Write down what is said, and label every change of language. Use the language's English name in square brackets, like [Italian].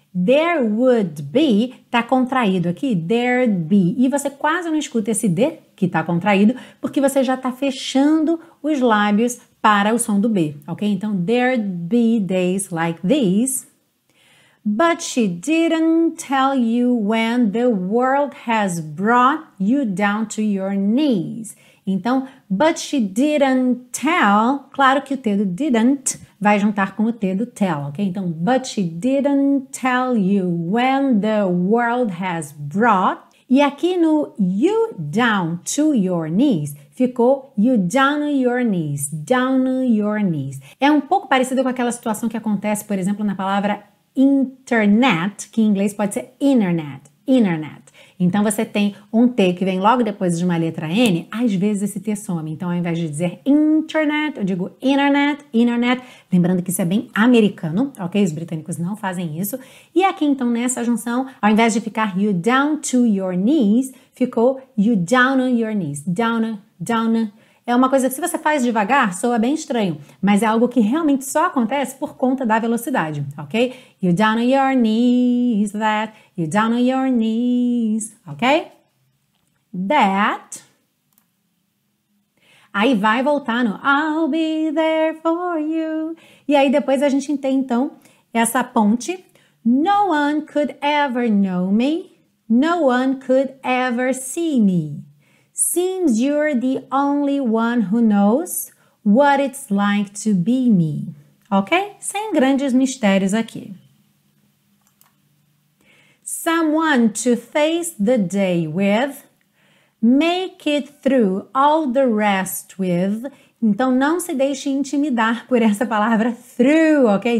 [English] There would be, [Portuguese] tá contraído aqui, [English] there'd be. [Portuguese] E você quase não escuta esse D, que tá contraído, porque você já tá fechando os lábios para o som do B, ok? Então, [English] there'd be days like these. But she didn't tell you when the world has brought you down to your knees. [Portuguese] Então, [English] but she didn't tell, [Portuguese] claro que o T do didn't vai juntar com o T do tell, ok? Então, [English] but she didn't tell you when the world has brought. [Portuguese] E aqui no [English] you down to your knees, [Portuguese] ficou [English] you down on your knees, down on your knees. [Portuguese] É um pouco parecido com aquela situação que acontece, por exemplo, na palavra internet, que em inglês pode ser internet, internet. Então, você tem um T que vem logo depois de uma letra N, às vezes esse T some. Então, ao invés de dizer internet, eu digo internet, internet. Lembrando que isso é bem americano, ok? Os britânicos não fazem isso. E aqui, então, nessa junção, ao invés de ficar [English] you down to your knees, [Portuguese] ficou [English] you down on your knees. Down, down. [Portuguese] É uma coisa que se você faz devagar, soa bem estranho. Mas é algo que realmente só acontece por conta da velocidade, ok? [English] You down on your knees, that. You down on your knees, ok? That. [Portuguese] Aí vai voltar no [English] I'll be there for you. [Portuguese] E aí depois a gente tem, então, essa ponte. [English] No one could ever know me. No one could ever see me. Seems you're the only one who knows what it's like to be me. Ok? [Portuguese] Sem grandes mistérios aqui. [English] Someone to face the day with. Make it through all the rest with. [Portuguese] Então, não se deixe intimidar por essa palavra through, ok?